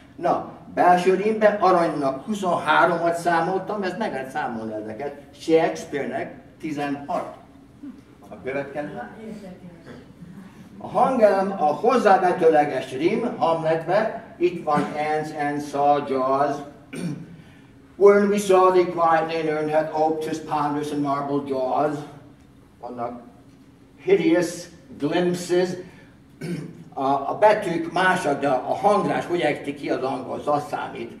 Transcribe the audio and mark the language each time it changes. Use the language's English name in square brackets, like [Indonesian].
[Hungarian] Na, belső rímben aranynak 23-at számoltam, ez meg lehet számolni ezeket, Shakespeare-nek 16. A következő. A hangelem a hozzávetőleges rím Hamletbe, itt van [English] ends, and saw, jaws. When we saw thee quietly in earn hath oped his ponderous and marble jaws. [Hungarian] Vannak [English] hideous glimpses. [Hungarian] A betűk másak, de a hangzás, hogy ejti ki az angol, az számít.